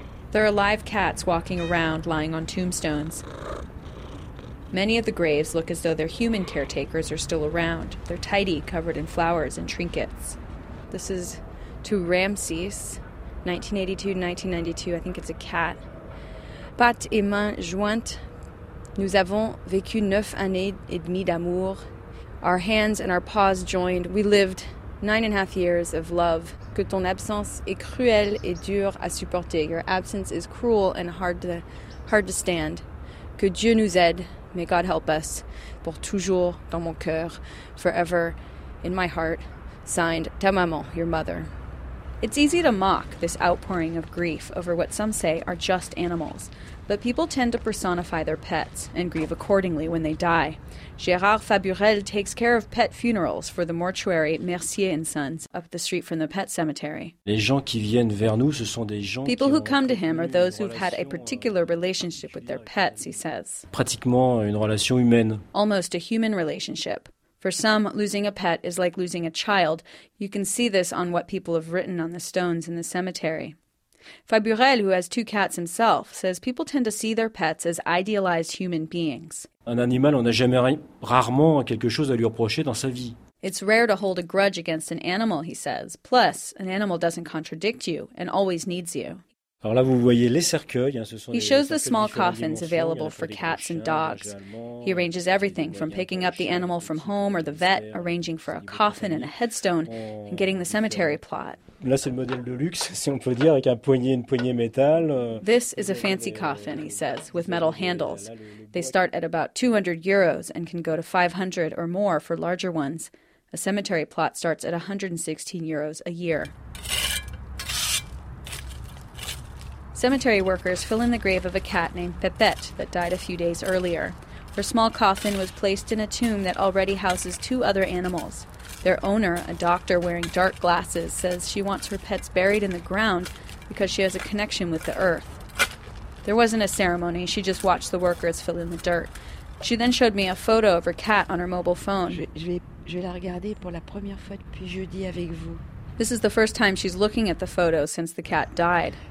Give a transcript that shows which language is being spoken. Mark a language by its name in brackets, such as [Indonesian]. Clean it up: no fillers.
[English] There are live cats walking around, lying on tombstones. Many of the graves look as though their human caretakers are still around. They're tidy, covered in flowers and trinkets. This is to Ramses, 1982-1992. I think it's a cat. [French] Pattes et mains jointes, nous avons vécu 9 années et demie d'amour. [English] Our hands and our paws joined, we lived 9.5 years of love. [French] Que ton absence est cruelle et dure à supporter. [English] Your absence is cruel and hard to stand. [French] Que Dieu nous aide. [English] May God help us. [French] Pour toujours dans mon cœur. [English] Forever in my heart. Signed, [French] ta maman, [English] your mother. It's easy to mock this outpouring of grief over what some say are just animals. But people tend to personify their pets and grieve accordingly when they die. Gérard Faburel takes care of pet funerals for the mortuary Mercier & Sons up the street from the pet cemetery. People who come to him are those who've had a particular relationship with their pets, he says. [French] Pratiquement une relation humaine. [English] Almost a human relationship. For some, losing a pet is like losing a child. You can see this on what people have written on the stones in the cemetery. Faburel, who has 2 cats himself, says people tend to see their pets as idealized human beings. [French] Un animal, on n'a jamais rarement quelque chose à lui reprocher dans sa vie. [English] It's rare to hold a grudge against an animal, he says. Plus, an animal doesn't contradict you and always needs you. [French] Alors là, vous voyez les cercueils, hein, ce sont [English] he shows the small coffins available for cats and dogs. He arranges everything from picking up the animal from home or the vet, arranging for a coffin and a headstone, and getting the cemetery plot. [French] Là, c'est le modèle de luxe, si on peut dire, avec un poignet, une poignée métal. [English] This is a fancy coffin, he says, with metal handles. They start at about 200 euros and can go to 500 or more for larger ones. A cemetery plot starts at 116 euros a year. Cemetery workers fill in the grave of a cat named Pepette that died a few days earlier. Her small coffin was placed in a tomb that already houses 2 other animals. Their owner, a doctor wearing dark glasses, says she wants her pets buried in the ground because she has a connection with the earth. There wasn't a ceremony, she just watched the workers fill in the dirt. She then showed me a photo of her cat on her mobile phone. [French] Je vais la regarder pour la première fois depuis jeudi avec vous. [English] This is the first time she's looking at the photo since the cat died.